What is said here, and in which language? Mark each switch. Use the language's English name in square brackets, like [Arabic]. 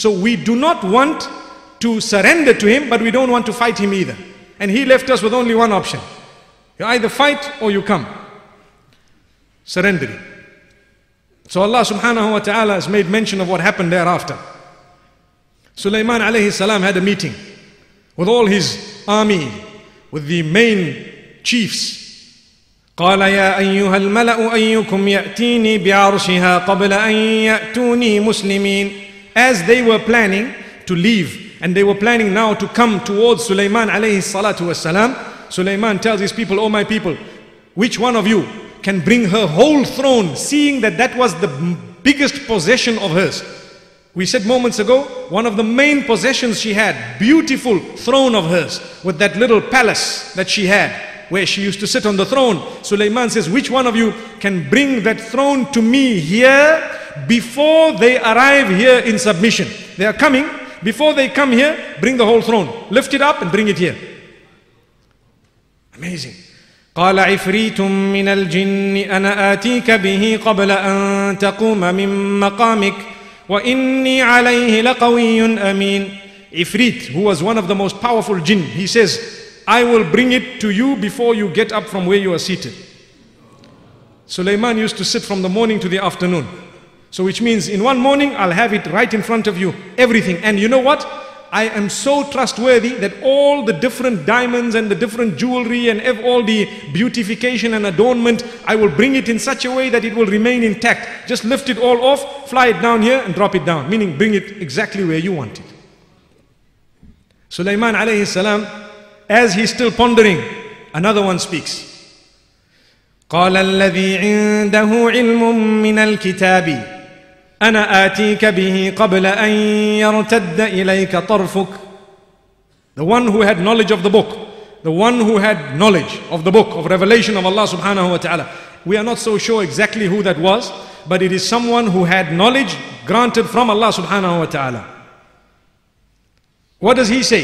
[English] So we do not want to surrender to him, but we don't want to fight him either. And he left us with only one option. You either fight or you come. surrendering. So Allah subhanahu wa ta'ala has made mention of what happened thereafter. Suleyman alayhi salam had a meeting with all his army, with the main chiefs. [Arabic] قال يا أيها الملأ أيكم يأتيني بعرشها قبل أن يأتوني مسلمين. [English] As they were planning to leave, and they were planning now to come towards Suleyman alayhi salatu wasalam, Suleyman tells his people, oh my people, which one of you can bring her whole throne, seeing that that was the biggest possession of hers? We said moments ago, one of the main possessions she had, beautiful throne of hers, with that little palace that she had, where she used to sit on the throne. Suleyman says, which one of you can bring that throne to me here before they arrive here in submission? They are coming. Before they come here, bring the whole throne. Lift it up and bring it here. Amazing. [Arabic] قال عفريت من الجن أنا آتيك به قبل أن تقوم من مقامك وإني عليه لقوي أمين. [English] Ifrit, who was one of the most powerful jinn, he says, I will bring it to you before you get up from where you are seated. Suleyman used to sit from the morning to the afternoon. So which means in one morning, I'll have it right in front of you, everything. And you know what? I am so trustworthy that all the different diamonds and the different jewelry and all the beautification and adornment, I will bring it in such a way that it will remain intact. Just lift it all off, fly it down here and drop it down. Meaning bring it exactly where you want it. Suleyman alayhi salam, as he's still pondering, another one speaks. [Arabic] قال الذي عنده علم من الكتاب أنا آتيك به قبل أن يرتد إليك طرفك. [English] The one who had knowledge of the book, the one who had knowledge of the book of revelation of Allah subhanahu wa ta'ala. We are not so sure exactly who that was, but it is someone who had knowledge granted from Allah subhanahu wa ta'ala. What does he say?